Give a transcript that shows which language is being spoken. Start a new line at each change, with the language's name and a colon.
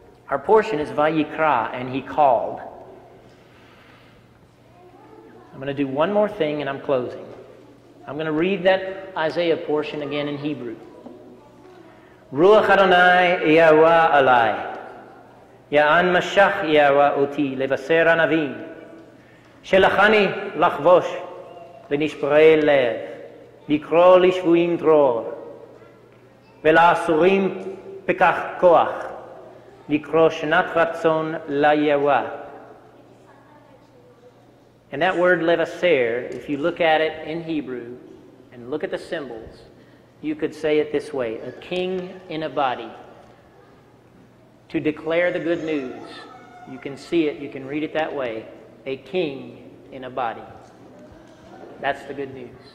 English: Our portion is Vayikra, and he called. I'm going to do one more thing and I'm closing. I'm going to read that Isaiah portion again in Hebrew. Ruach Adonai Yahweh Alai.
Hebrew: יען משך יהוה אותי לבשר הנביא, שלחני לחבוש ונשברי לב, לקרוא לשבויים דרור, ולאסורים פקח כוח, לקרוא שנת רצון ליהוה.
English: And that word levaser, if you look at it in Hebrew and look at the symbols, you could say it this way, a king in a body. To declare the good news, you can see it, you can read it that way, a king in a body. That's the good news.